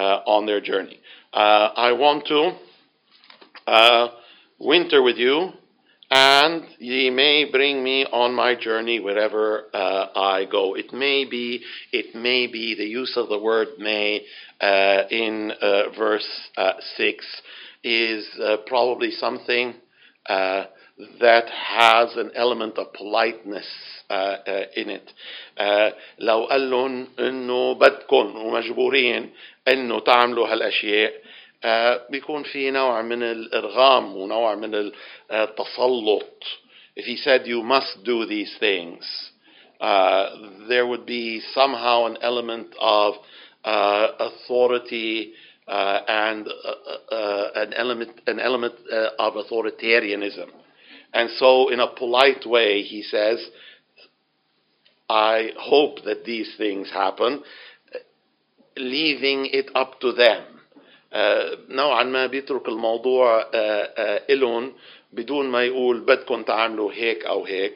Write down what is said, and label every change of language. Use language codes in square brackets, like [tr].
[en] I want to winter with you, and ye may bring me on my journey wherever I go. It may be the use of the word may in verse 6 is probably something that has an element of politeness in it. [ar] لو قالن انه بدكن ومجبورين انه تعملوا هالاشياء بيكون في نوع من الإرغام ونوع من التسلط. [en] If he said you must do these things, there would be somehow an element of authority and an element of authoritarianism. And so in a polite way he says, I hope that these things happen, leaving it up to them. [ar] نوعا ما بيترك الموضوع إلون بدون ما يقول بدكم تعملوا هيك أو هيك.